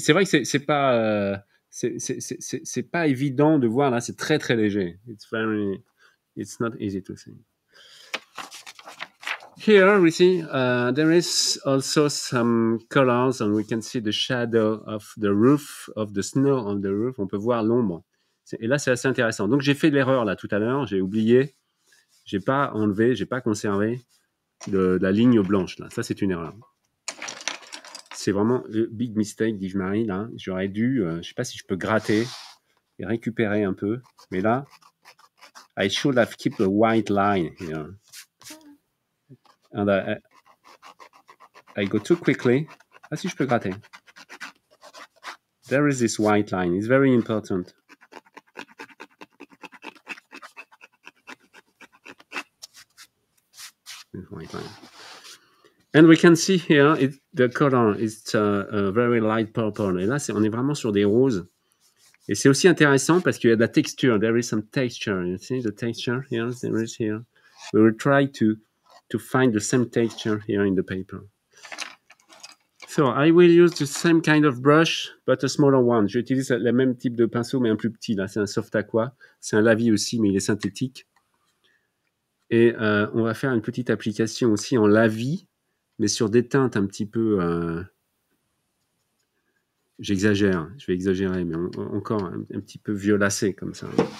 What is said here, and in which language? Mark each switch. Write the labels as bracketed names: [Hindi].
[French] C'est vrai que c'est pas évident de voir là. C'est très très léger. [English] It's not easy to see. Here we see there is also some colors, and we can see the shadow of the roof of the snow on the roof. [French] On peut voir l'ombre. Et là, c'est assez intéressant. Donc, j'ai fait l'erreur là tout à l'heure. J'ai oublié. J'ai pas enlevé, j'ai pas conservé la ligne blanche là. Ça, c'est une erreur. C'est vraiment [English] a big mistake, [French] dis-je, Marie. Là, j'aurais dû, je sais pas si je peux gratter et récupérer un peu. Mais là, [English] I should have kept a white line here. And I go too quickly. [French] Ah, si je peux gratter. [English] There is this white line. It's very important. And we can see here it, the color is a very light purple. [French] Et là, c'est, on est vraiment sur des roses. Et c'est aussi intéressant parce qu'il y a de la texture. [English] There is some texture. You see the texture here? There is here. We will try to find the same texture here in the paper. So I will use the same kind of brush, but a smaller one. [French] J'utilise le même type de pinceau, mais un plus petit. Là, c'est un soft aqua. C'est un lavis aussi, mais il est synthétique. Et on va faire une petite application aussi en lavis, mais sur des teintes un petit peu... J'exagère, je vais exagérer, mais encore un petit peu violacé comme ça.